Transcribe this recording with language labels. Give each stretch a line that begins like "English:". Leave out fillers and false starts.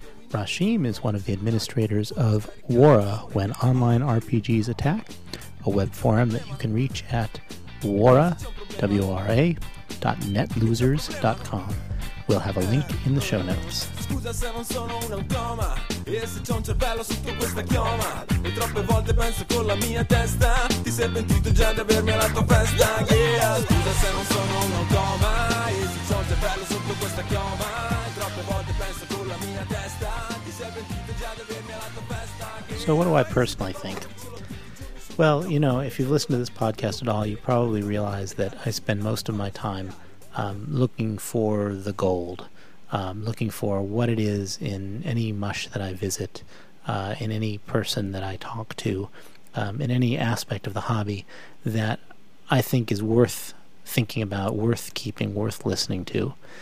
English: Rashim is one of the administrators of Wara, When Online RPGs Attack, a web forum that you can reach at Wara, W-R-A, .netlosers.com. We'll have a link in the show notes.
Italian: Scusa se non sono un automa, e se c'è un cervello sotto questa chioma, e troppe volte penso con la mia testa, ti sei pentito già di avermi alla tua festa, yeah. Scusa se non sono un automa, e se c'è un cervello sotto questa chioma, e troppe volte penso con la mia testa, ti sei pentito già di avermi alla tua festa, yeah.
English: So what do I personally think? Well, you know, if you've listened to this podcast at all, you probably realize that I spend most of my time looking for the gold, looking for what it is in any mush that I visit, in any person that I talk to, in any aspect of the hobby that I think is worth thinking about, worth keeping, worth listening to.